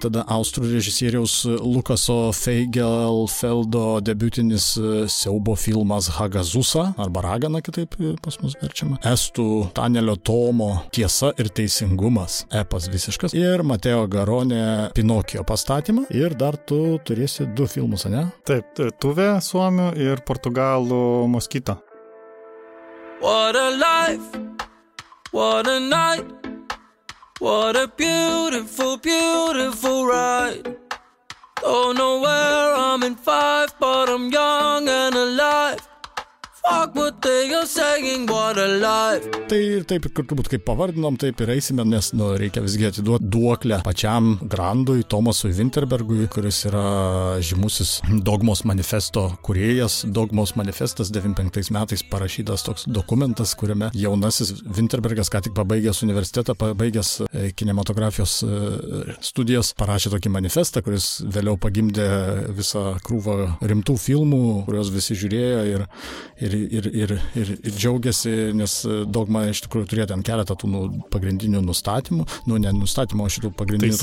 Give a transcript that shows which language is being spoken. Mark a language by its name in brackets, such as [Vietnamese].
[Lithuanian] Tada austrų režisieriaus Lukaso Feigelfeldo debiutinis siaubo filmas Hagazusa, arba Ragana kitaip pas mus verčiama, estų Tanelio Tomo Tiesa ir teisingumas, epas visiškas, ir Mateo Garone Pinokio pastatymą, ir dar tu turėsi du filmus, ane? Taip, Tuve suomio ir portugalų Moskita. [English] What a life! What a night, what a beautiful, beautiful ride. Don't know where I'm in five, but I'm young and alive. Fuck what they are saying, what a life. [Lithuanian] Tai taip, turbūt kaip pavardinom, taip ir eisime, nes nu, reikia visgi atiduoti duoklę pačiam grandui, Tomasui Vinterbergui, kuris yra žymusis Dogmos manifesto kūrėjas. Dogmos manifestas 95 metais parašytas toks dokumentas, kuriame jaunasis Vinterbergas, ką tik pabaigęs universitetą, pabaigęs kinematografijos studijas, parašė tokį manifestą, kuris vėliau pagimdė visą krūvą rimtų filmų, kuriuos visi žiūrėjo ir džiaugiasi, nes Dogmos man iš tikrųjų turėjo ten keletą tų pagrindinių nustatymų, nu ne nustatymų, o šitų pagrindinių